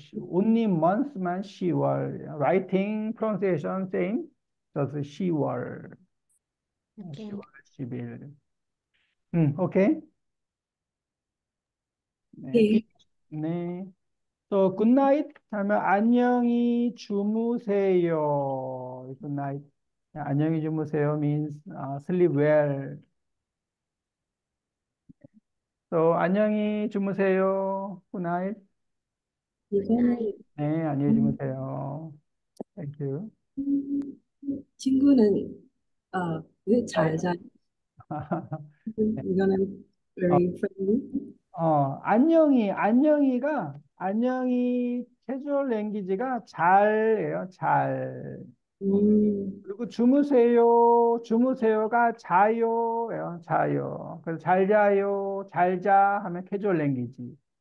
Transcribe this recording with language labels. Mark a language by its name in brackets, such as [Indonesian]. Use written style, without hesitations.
[English] Only months만 10월. Writing, pronunciation, same. [Korean] Just 10월. 10월 10일. Okay. [English] 네. So, good night. [Korean] 안녕히 주무세요. [English] Good night. [Korean] 안녕히 주무세요 [English] means sleep well. So, [Korean] 안녕히 주무세요. [English] Good night. [Korean] 이거는 네, 안녕히 주무세요. [English] Thank you. [Korean] 친구는 왜잘 자? [English] 이거는 very friendly. [Korean] 안녕히가 안녕히 캐주얼 랭귀지가 잘이에요. 잘. 그리고 주무세요. 주무세요가 자요. 자요. 그래서 잘 자요. 잘자 하면 캐주얼 랭귀지.